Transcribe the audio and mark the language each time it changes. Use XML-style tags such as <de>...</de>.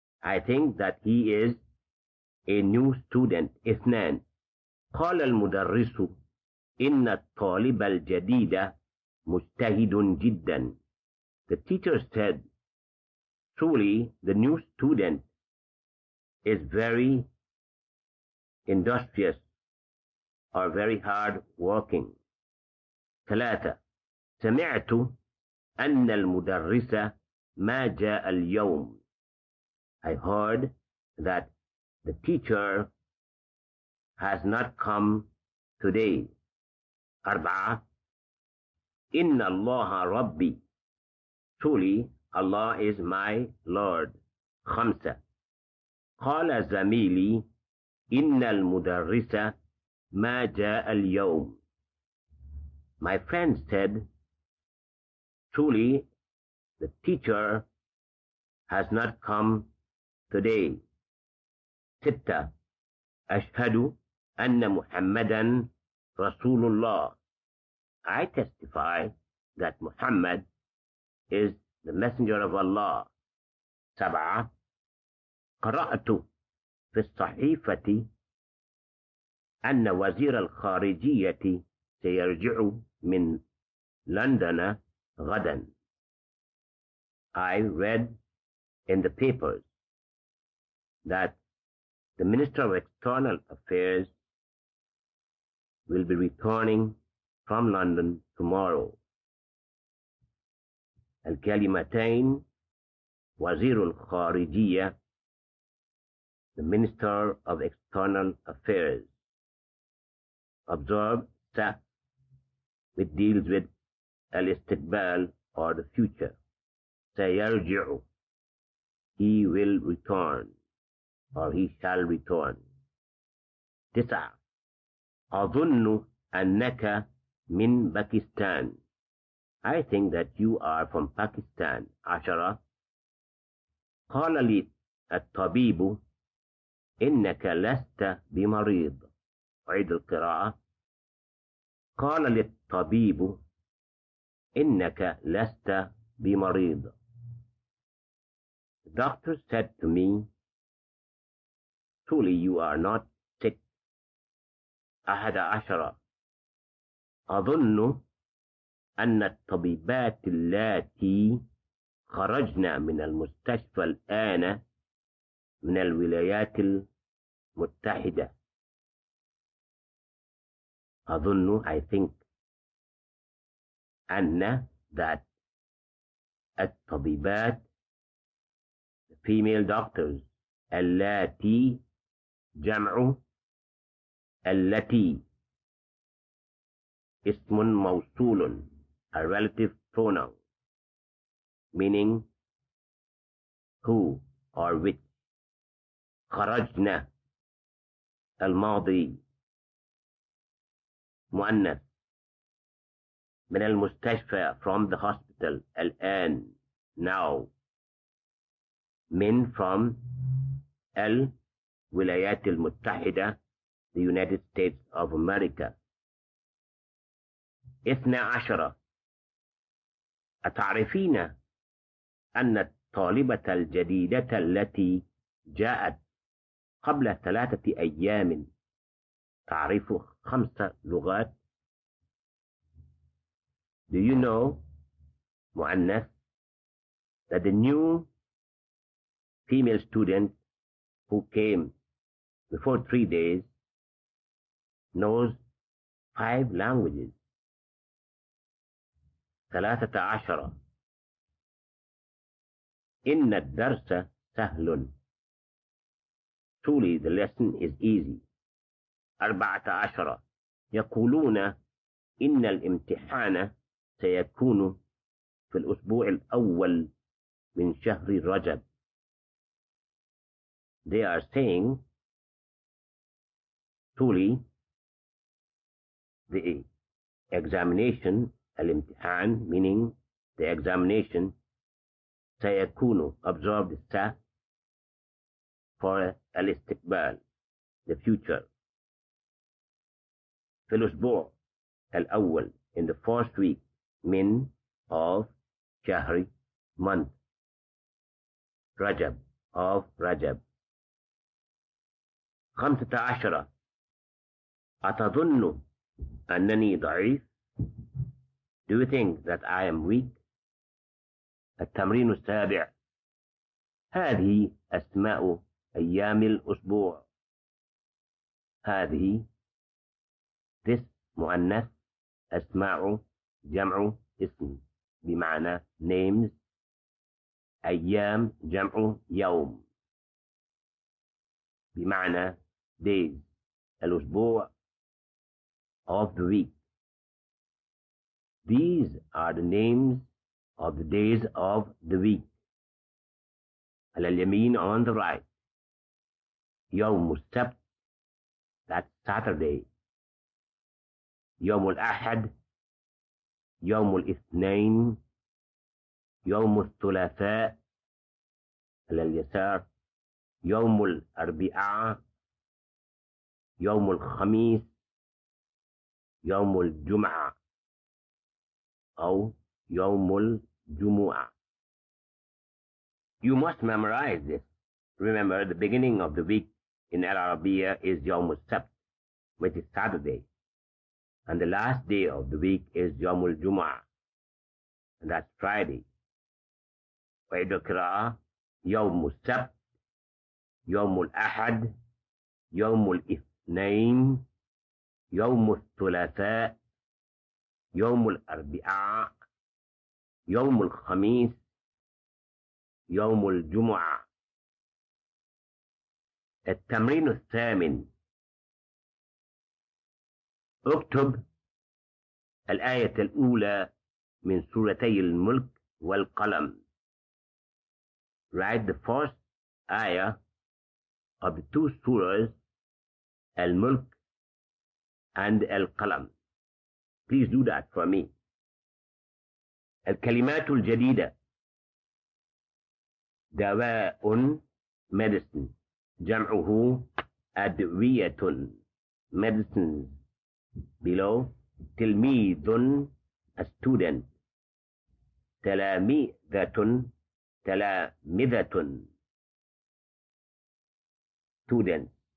<en>I think that he is a new student.</en> <ar>اثنان، قال المدرس إن الطالب الجديد مجتهد جدا.</ar> <en>The teacher said, truly the new student is very industrious or very hard working.</en> <ar>ثلاثة، سمعت أن المدرس ما جاء اليوم.</ar> <en>I heard that the teacher has not come today.</en> <ar>أربعة، إن الله ربي.</ar> <en>Truly, Allah is my Lord.</en> <ar>خمسة، قال زميلي إن المدرس ما جاء اليوم.</ar> <en>My friend said, truly, the teacher has not come today.</en> <ar>ستة، أشهد أن محمدا رسول الله.</ar> <en>I testify that Muhammad is the messenger of Allah.</en> <ar>سبعة، قرأت في الصحيفة أن وزير الخارجية سيرجع من لندن غدا.</ar> <en>I read in the papers that The Minister of External Affairs will be returning from London tomorrow.</en> <ar>الكلمتين وزير الخارجية,</ar> <en>the Minister of External Affairs. Observe ta, which deals with</en> <ar>الاستقبال</ar> <en>or the future. سيرجع, he will return or he shall return.</en> <ar>تسعة, أظن أنك من باكستان.</ar> <en>I think that you are from Pakistan.</en> <ar>عشرة, قال لي الطبيب إنك لست بمريض. أعيد القراءة. قال للطبيب إنك لست بمريض.</ar> <en>The doctor said to me, truly you are not sick.</en> <ar>أحد عشرة, أظن أن الطبيبات التي خرجنا من المستشفى الآن من الولايات المتحدة. أظن,</ar> <en>I think,</en> <ar>أن</ar> <en>that</en> <ar>الطبيبات,</ar> <en>the female doctors,</en> <ar>التي جمع التي اسم موصول,</ar> <en>a relative pronoun, meaning who or which.</en> <ar>خرجنا, الماضي, مؤنث, من المستشفى,</ar> <en>from the hospital,</en> <ar>الآن,</ar> <en>now,</en> <ar>من,</ar> <en>from,</en> <ar>الولايات المتحدة,</ar> <en>the United States of America.</en> <ar>اثنى عشرة, أتعرفين أن الطالبة الجديدة التي جاءت قبل ثلاثة أيام تعرف خمس لغات؟</ar> <en>Do you know,</en> <ar>مؤنث,</ar> <en>that the new female student who came before 3 days knows 5 languages?</en> <ar>ثلاثة عشرة, إن الدرس سهل.</ar> <en>Truly the lesson is easy.</en> <ar>أربعة عشرة, يقولون إن الامتحان سيكون في الأسبوع الأول من شهر رجب.</ar> <en>They are saying, truly the examination,</en> <ar>الامتحان,</ar> <en>meaning the examination,</en> <ar>سيكون,</ar> <en>observe the ta, for</en> <ar>الاستقبال,</ar> <en>the future,</en> <ar>في الأسبوع الأول,</ar> <en>in the first week,</en> <ar>من,</ar> <en>of,</en> <ar>شهر,</ar> <en>month,</en> <ar>رجب,</ar> <en>of</en> <ar>رجب. خمسة عشرة, أتظن أنني ضعيف؟</ar> <en>Do you think that I am weak?</en> <ar>التمرين السابع, هذه أسماء أيام الأسبوع. هذه,</ar> <en>this,</en> <ar>مؤنث, أسماء, جمع اسم, بمعنى</ar> <en>names,</en> <ar>أيام, جمع يوم, بمعنى</ar> <en>days,</en> <ar>الأسبوع,</ar> <en>of the week. These are the names of the days of the week.</en> <ar>على اليمين,</ar> <en>on the right.</en> <ar>يوم السبت,</ar> <en>that's Saturday.</en> <ar>يوم الأحد, يوم الاثنين, يوم الثلاثاء, على اليسار. يوم الأربعاء, يوم الخميس, يوم الجمعة, أو يوم الجمعة.</ar> <en>You must memorize this. Remember, the beginning of the week in Al-Arabiya is يوم السبت, which is Saturday. And the last day of the week is يوم الجمعة, and that's Friday.</en> <ar>وعيد القراءة, يوم السبت, يوم الأحد, يوم الاثنين، يوم الثلاثاء، يوم الأربعاء، يوم الخميس، يوم الجمعة. التمرين الثامن، اكتب الآية الأولى من سورتي الملك والقلم.</ar> <en>Write the first ayah of two surahs, Al-Mulk and Al-Qalam. Please do that for me.</en> <ar>الكلمات الجديدة، دواء،</ar> <en>medicine،</en> <ar>جمعه أدوية،</ar> <en>medicines. Below،</en> <ar>تلميذ،</ar> <en>a student،</en> <ar>تلاميذة، تلامذة،</ar> <en>student.</en>